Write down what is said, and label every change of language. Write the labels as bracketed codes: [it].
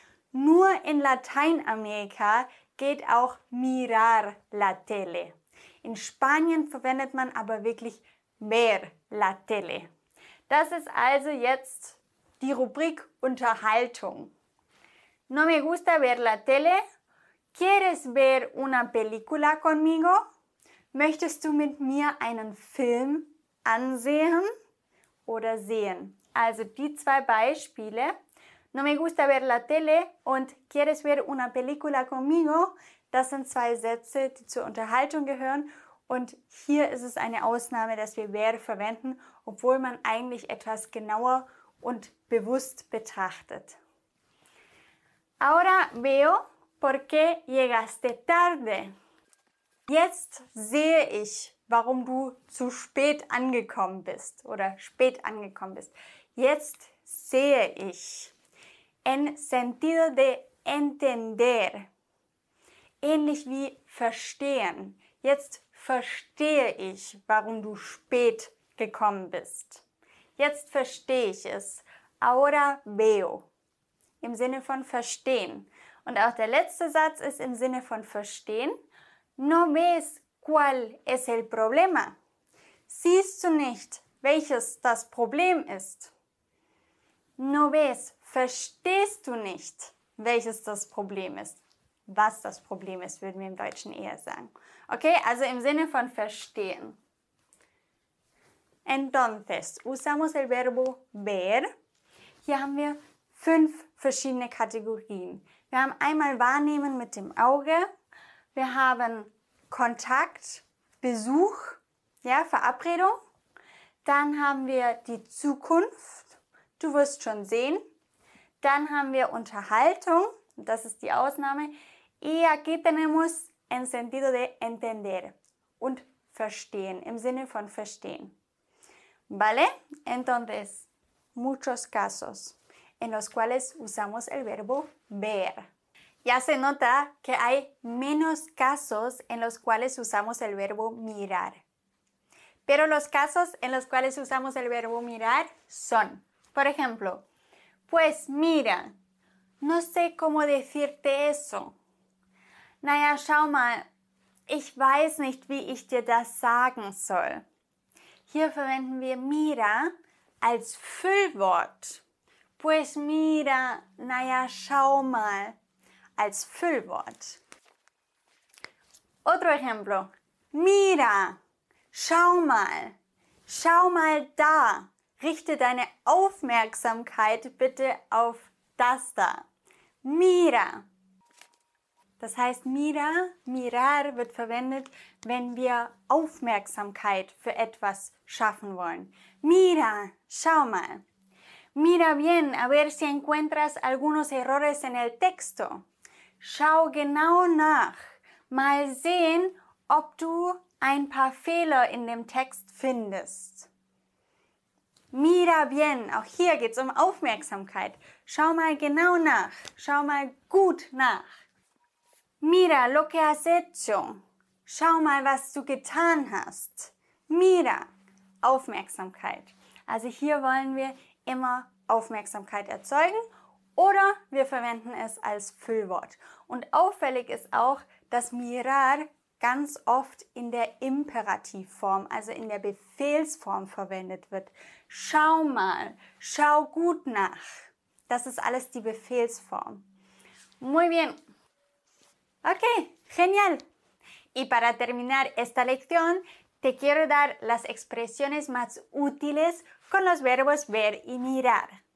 [de] Nur in Lateinamerika geht auch [es] mirar la tele. [de] In Spanien verwendet man aber wirklich [es] ver la tele. [de] Das ist also jetzt die Rubrik Unterhaltung. [es] No me gusta ver la tele. ¿Quieres ver una película conmigo? [de] Möchtest du mit mir einen Film ansehen? Oder sehen. Also die zwei Beispiele. [es] No me gusta ver la tele [de] und [es] ¿Quieres ver una película conmigo? [de] Das sind zwei Sätze, die zur Unterhaltung gehören. Und hier ist es eine Ausnahme, dass wir ver verwenden, obwohl man eigentlich etwas genauer und bewusst betrachtet. [es] Ahora veo por qué llegaste tarde. [de] Jetzt sehe ich, warum du zu spät angekommen bist oder spät angekommen bist. Jetzt sehe ich. [es] en sentido de entender. [de] Ähnlich wie verstehen. Jetzt verstehe ich, warum du spät gekommen bist. Jetzt verstehe ich es. [es] Ahora veo. [de] Im Sinne von verstehen. Und auch der letzte Satz ist im Sinne von verstehen. [es] No ves cuál es el problema. [de] Siehst du nicht, welches das Problem ist? [es] No ves, [de] verstehst du nicht, welches das Problem ist? Was das Problem ist, würden wir im Deutschen eher sagen. Okay, also im Sinne von verstehen. [es] Entonces, usamos el verbo ver. [de] Hier haben wir 5 verschiedene Kategorien. Wir haben einmal wahrnehmen mit dem Auge. Wir haben Kontakt, Besuch, ja, Verabredung. Dann haben wir die Zukunft. Du wirst schon sehen. Dann haben wir Unterhaltung. Das ist die Ausnahme. [es] Y aquí tenemos en sentido de entender. [de] Und verstehen, im Sinne von verstehen. [es] ¿Vale? Entonces, muchos casos en los cuales usamos el verbo ver. Ya se nota que hay menos casos en los cuales usamos el verbo mirar. Pero los casos en los cuales usamos el verbo mirar son, por ejemplo, pues mira, no sé cómo decirte eso. [de] Naja, schau mal, ich weiß nicht, wie ich dir das sagen soll. Hier verwenden wir mira als Füllwort. [es] Pues mira, [de] naja, schau mal, als Füllwort. [es] Otro ejemplo. [de] Mira, schau mal da. Richte deine Aufmerksamkeit bitte auf das da. Mira. Das heißt, mira, mirar wird verwendet, wenn wir Aufmerksamkeit für etwas schaffen wollen. Mira, schau mal. [es] Mira bien, a ver si encuentras algunos errores en el texto. [de] Schau genau nach. Mal sehen, ob du ein paar Fehler in dem Text findest. [es] Mira bien. [de] Auch hier geht es um Aufmerksamkeit. Schau mal genau nach. Schau mal gut nach. [es] Mira lo que has hecho. [de] Schau mal, was du getan hast. Mira. Aufmerksamkeit. Also hier wollen wir immer Aufmerksamkeit erzeugen oder wir verwenden es als Füllwort. Und auffällig ist auch, dass mirar ganz oft in der Imperativform, also in der Befehlsform verwendet wird. Schau mal, schau gut nach. Das ist alles die Befehlsform. [es] Muy bien. Okay, genial. Y para terminar esta lección, te quiero dar las expresiones más útiles con los verbos ver y mirar.